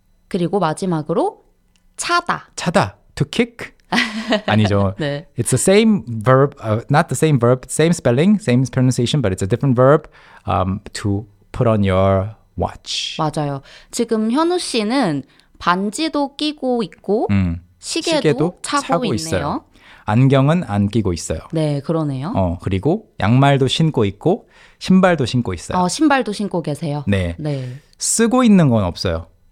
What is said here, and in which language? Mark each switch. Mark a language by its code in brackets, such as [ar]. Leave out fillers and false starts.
[ko] 그리고 마지막으로 차다. 차다. [en] To kick? [ko] 아니죠. 네. [en] It's the same verb, not the same verb, same spelling, same pronunciation, but it's a different verb to put on your watch. [ko] 맞아요. 지금 현우 씨는 반지도 끼고 있고 시계도 차고 있네요. 안경은 안 끼고 있어요. 네, 그러네요. 그리고 양말도 신고 있고 신발도 신고 있어요. 신발도 신고 계세요. 네. 네. 쓰고 있는 건 없어요.